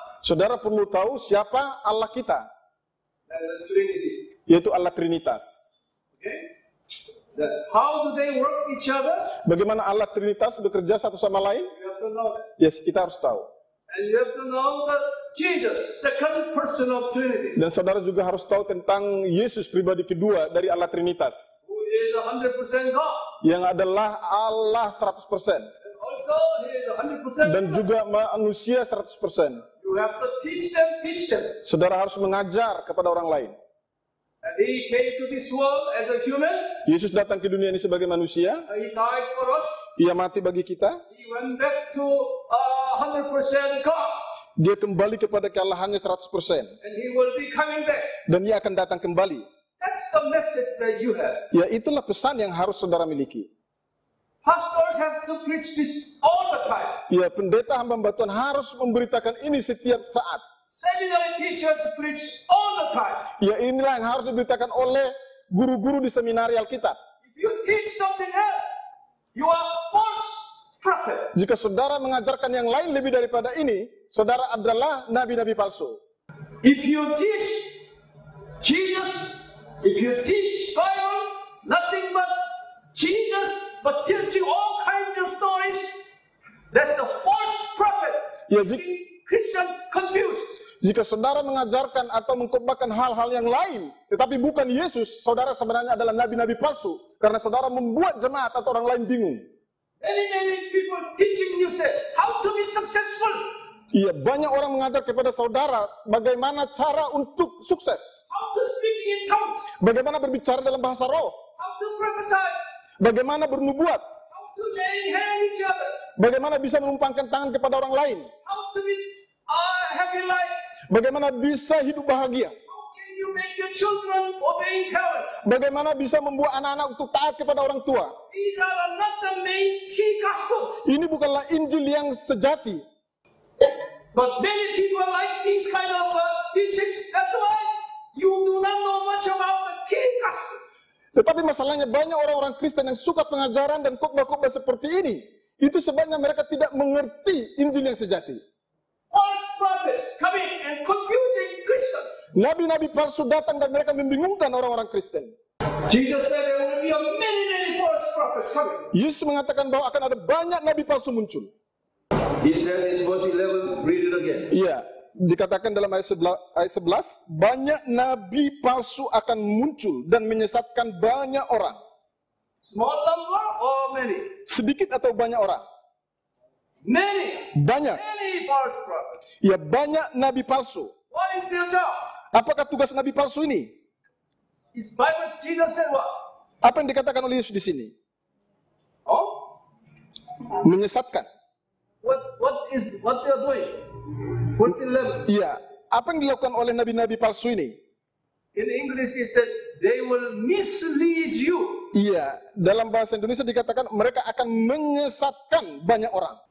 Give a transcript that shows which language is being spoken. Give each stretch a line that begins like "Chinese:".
Indonesian: Saudara perlu tahu siapa Allah kita.
English: And the Trinity.
Indonesian: Yaitu Allah Trinitas.
English: That how do they work each other?
Indonesian: Bagaimana Allah Trinitas bekerja satu sama lain?
English: You have to know that.
Indonesian: Yes, kita harus tahu.
English: And you have to know that Jesus, second person of Trinity.
Indonesian: Dan saudara juga harus tahu tentang Yesus pribadi kedua dari Allah Trinitas.
English: Who is 100% God?
Indonesian: Yang adalah Allah 100%.
English: And also he is 100%.
Indonesian: Dan juga manusia 100%.
English: You have to teach them.
Indonesian: Saudara harus mengajar kepada orang lain.
English: And he came to this world as a human.
Indonesian: Yesus datang ke dunia ini sebagai manusia.
English: He died for us.
Indonesian: Ia mati bagi kita.
English: He went back to 100% God.
Indonesian: Dia kembali kepada kealahannya 100%.
English: And he will be coming back.
Indonesian: Dan ia akan datang kembali.
English: That's the message that you have.
Indonesian: Ya, itulah pesan yang harus saudara miliki.
English: Pastors have to preach this all the time.
Indonesian: Ya, pendeta hamba Tuhan harus memberitakan ini setiap saat.
English: Seminary teachers preach all the time.
Indonesian: Ya, inilah yang harus diberitakan oleh guru-guru di seminari Alkitab.
English: If you teach something else, you are false prophet.
Indonesian: Jika saudara mengajarkan yang lain lebih daripada ini, saudara adalah nabi-nabi palsu.
English: If you teach Jesus, if you teach Bible, nothing but Jesus, but teach you all kinds of stories, that's a false prophet.
Indonesian: Ya,
English: Christians confused.
Indonesian: Jika saudara mengajarkan atau mengkhotbahkan hal-hal yang lain, tetapi bukan Yesus, saudara sebenarnya adalah nabi-nabi palsu, karena saudara membuat jemaat atau orang lain bingung.
English: Many people teaching you say how to be successful.
Indonesian: Iya, banyak orang mengajar kepada saudara bagaimana cara untuk sukses.
English: How to speak in tongues.
Indonesian: Bagaimana berbicara dalam bahasa roh.
English: How to prophesy.
Indonesian: Bagaimana bernubuat.
English: How to lay hands on each other.
Indonesian: Bagaimana bisa menumpangkan tangan kepada orang lain.
English: How to be a happy life.
Indonesian: Bagaimana bisa hidup bahagia.
English: How can you make your children obey God.
Indonesian: Bagaimana bisa membuat anak-anak untuk taat kepada orang tua.
English: These are not the main key gospel.
Indonesian: Ini bukanlah Injil yang sejati.
English: But many people like these kind of teachings. That's why you do not know much about the key gospel.
Indonesian: Tetapi masalahnya banyak orang-orang Kristen yang suka pengajaran dan khotbah-khotbah seperti ini. Itu sebabnya mereka tidak mengerti Injil yang sejati.
English: False prophets coming and confusing Christians.
Indonesian: Nabi-nabi palsu datang dan mereka membingungkan orang-orang Kristen.
English: Jesus said there will be many false prophets coming.
Indonesian: Yesus mengatakan bahwa akan ada banyak nabi palsu muncul.
English: He said in verse 11, read it again.
Indonesian: Iya, dikatakan dalam ayat 11, banyak nabi palsu akan muncul dan menyesatkan banyak orang.
English: Small number or many?
Indonesian: Sedikit atau banyak orang?
English: Many.
Indonesian: Banyak.
English: Many false prophets.
Indonesian: Iya, banyak nabi palsu.
English: What is their job?
Indonesian: Apakah tugas nabi palsu ini?
English: Is Bible Jesus said what?
Indonesian: Apa yang dikatakan oleh Yesus di sini? Oh? Menyesatkan.
English: What they are doing? What's the level?
Indonesian: Iya. Apa yang dilakukan oleh nabi-nabi palsu ini?
English: In English it said they will mislead you.
Indonesian: Iya. Dalam bahasa Indonesia dikatakan mereka akan menyesatkan banyak orang.